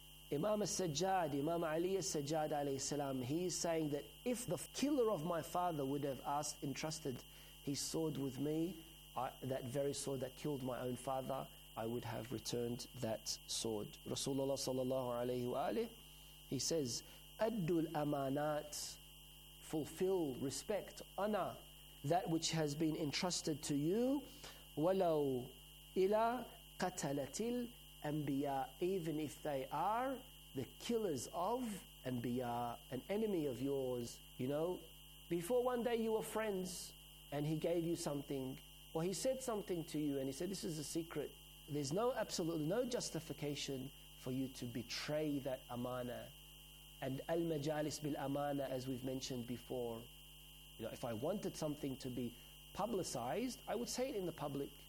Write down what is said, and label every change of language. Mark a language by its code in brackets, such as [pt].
[en] Imam al-Sajjad, Imam Ali al-Sajjad alayhi salam, he is saying that if the killer of my father would have entrusted his sword with me, that very sword that killed my own father, I would have returned that sword. Rasulullah sallallahu alayhi wa alayhi, he says, [ar] أدوا الأمانات, [en] fulfill, respect, honor that which has been entrusted to you. [ar] ولو إلى قتلة الأنبياء, [en] even if they are the killers of أنبياء, an enemy of yours. You know, before one day you were friends and he gave you something, or he said something to you and he said, this is a secret. There's no justification for you to betray that amana. And [ar] al-majalis bil-amana, [en] as we've mentioned before, you know, if I wanted something to be publicized, I would say it in the public.